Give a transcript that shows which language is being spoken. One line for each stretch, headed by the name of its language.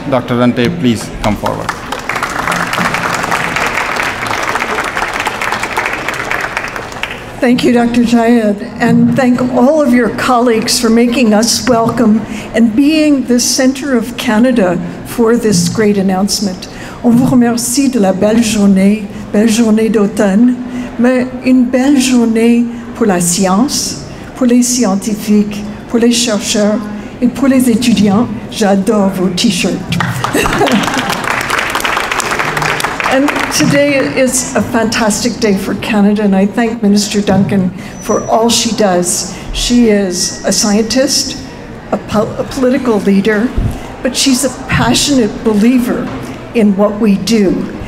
English: Dr. Runte, please come forward. Thank you, Dr. Jayas, and thank all of your colleagues for making us welcome and being the center of Canada for this great announcement.
French: On vous remercie de la belle journée d'automne. Mais une belle journée pour la science, pour les scientifiques, pour les chercheurs et pour les étudiants. J'adore vos t-shirts.
English: And today is a fantastic day for Canada, and I thank Minister Duncan for all she does. She is a scientist, a political leader, but she's a passionate believer in what we do.